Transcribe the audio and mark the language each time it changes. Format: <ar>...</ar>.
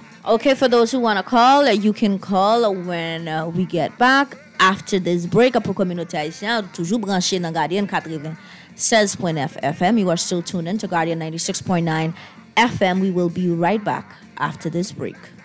<en>Okay, for those who want to call, you can call when we get back after this break.</en> <fr>Pour communauté haïtienne, toujours branché dans Guardian 96.9 FM.</fr> <en>You are still tuned in to Guardian 96.9 FM. We will be right back after this break.</en>